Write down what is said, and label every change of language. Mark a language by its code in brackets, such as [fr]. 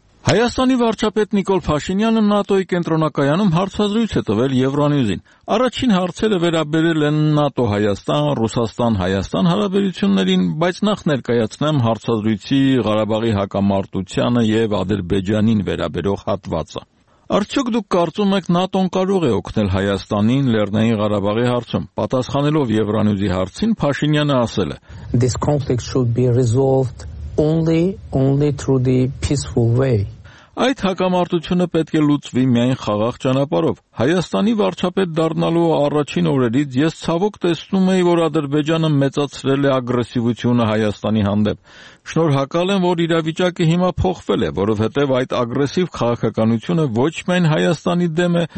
[hy] Հայաստանի վարչապետ Նիկոլ Փաշինյանը ՆԱՏՕ-ի կենտրոնակայանում հարցազրույց է տվել Եվրոնյուզին։ Առաջին հարցերը վերաբերել են ՆԱՏՕ-Հայաստան, Ռուսաստան-Հայաստան հարաբերություններին, բայց նախ ներկայացնեմ հարցազրույցի Ղարաբաղի հակամարտությանը եւ Ադրբեջանին վերաբերող հատվածը։ Արդյոք դուք կարծում եք ՆԱՏՕ-ն կարող է օգնել Հայաստանին Լեռնային Ղարաբաղի հարցում։ Պատասխանելով Եվրոնյուզի հարցին Փաշինյանը ասել է. [en] This conflict should be resolved only through the peaceful way. [hy] Այդ հակամարտությունը պետք է լուծվի միայն խաղաղ ճանապարհով։ Հայաստանի վարչապետ դառնալու առաջին օրերից ես ցավոք տեսնում էի, որ Ադրբեջանը մեծացրել է ագրեսիվությունը Հայաստանի հանդեպ։ Շնորհակալ եմ, որ իրավիճակը հիմա փոխվել է, որովհետև այդ ագրեսիվ քաղաքականությունը ոչ միայն Հայաստանի դեմ է,